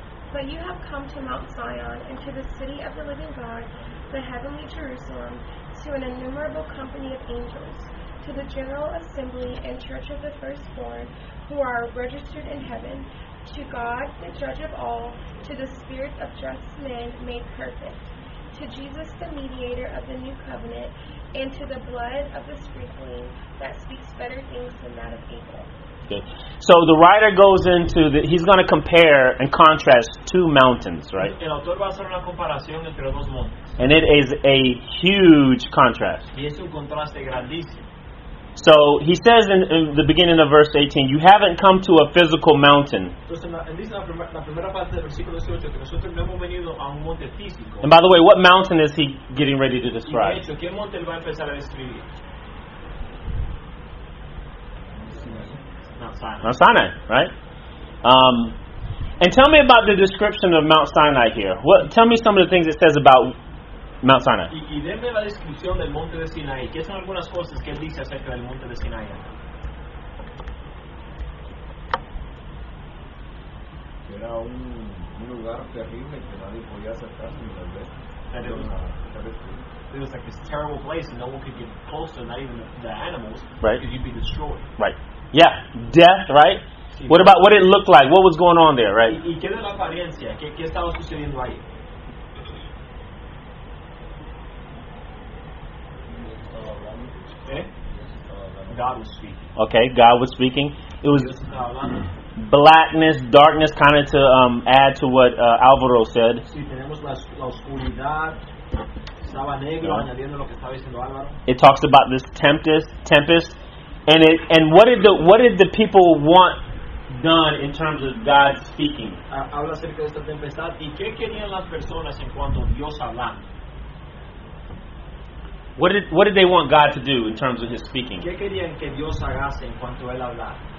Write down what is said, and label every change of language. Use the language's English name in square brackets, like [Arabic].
[English] But you have come to Mount Zion, and to the city of the living God, the heavenly Jerusalem, to an innumerable company of angels, to the general assembly and church of the firstborn, who are registered in heaven, to God, the judge of all, to the spirit of just men made perfect, to Jesus, the mediator of the new covenant, and to the blood of the sprinkling that speaks better things than that of Abel. Okay. So the writer goes into he's going to compare and contrast two mountains, right? [Spanish] El autor va a hacer una comparación entre dos montes. [English] And it is a huge contrast. [Spanish] Y es un contraste grandísimo. [English] So he says in the beginning of verse 18, you haven't come to a physical mountain. And by the way, what mountain is he getting ready to describe? Mount Sinai, right? And tell me about the description of Mount Sinai here. What? Tell me some of the things it says about Mount Sinai. [Spanish] Y denme la descripción del monte de Sinai. ¿Qué son algunas cosas que él dice acerca del monte de Sinai? Era un lugar terrible que nadie podía acercarse ni tal vez. [English] It was like this terrible place and no one could get close to it, not even the animals. Right. Because you'd be destroyed. Right. Yeah. Death, right? What about what it looked like? What was going on there, right? [Spanish] ¿Y qué era la apariencia? ¿Qué estaba sucediendo ahí? [English] God was speaking. Okay, God was speaking. It was blackness, darkness, kind of to add to what Alvaro said. It talks about this tempest, and what did the people want done in terms of God speaking. [Spanish] Habla acerca de esta tempestad y qué querían las personas en cuanto a Dios hablando. [English] What did they want God to do in terms of His speaking? [Spanish] ¿Qué querían que Dios hagase en cuanto a él hablar?